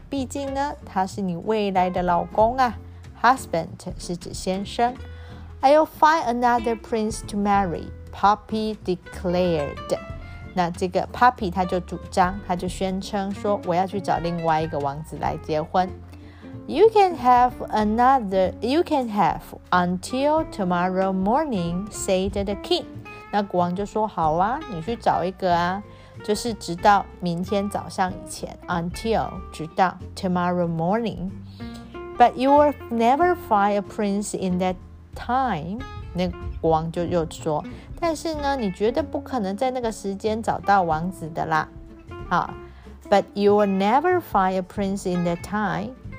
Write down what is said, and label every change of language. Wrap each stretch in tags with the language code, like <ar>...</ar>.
<zh>毕竟呢，他是你未来的老公啊。</zh> <en>Husband</en> <zh>是指先生。</zh> <en>I'll find another prince to marry. Poppy declared.</en> <zh>那这个 Poppy 他就主张，他就宣称说，我要去找另外一个王子来结婚。</zh> <en>You can have another. You can have until tomorrow morning, said the king.</en> <zh>那国王就说，好啊，你去找一个啊，就是直到明天早上以前 ，until 直到 tomorrow morning.</zh> <en>But you will never find a prince in that time.</en> <zh>那国王就又说。但是呢，你绝对不可能在那个时间找到王子的啦。</zh> <en>好 ，But you will never find a prince in that time.</en>